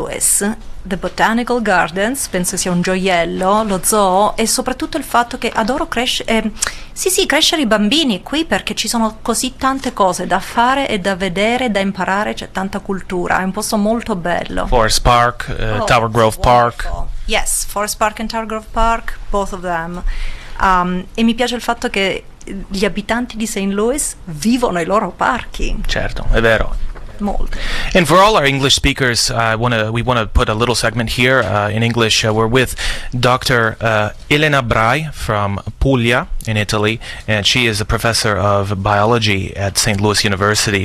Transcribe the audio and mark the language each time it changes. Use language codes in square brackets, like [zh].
[it] Louis, The Botanical Gardens, penso sia un gioiello, lo zoo, e soprattutto il fatto che adoro crescere i bambini qui, perché ci sono così tante cose da fare e da vedere, da imparare, c'è tanta cultura, è un posto molto bello. Forest Park, Tower Grove Park. [en] Yes, Forest Park and Tower Grove Park, both of them. [it] E mi piace il fatto che gli abitanti di St. Louis vivono i loro parchi. Certo, è vero. Mold. [en] And for all our English speakers, we want to put a little segment here in English. We're with Dr. Elena Brai from Puglia in Italy, and she is a professor of biology at St. Louis University.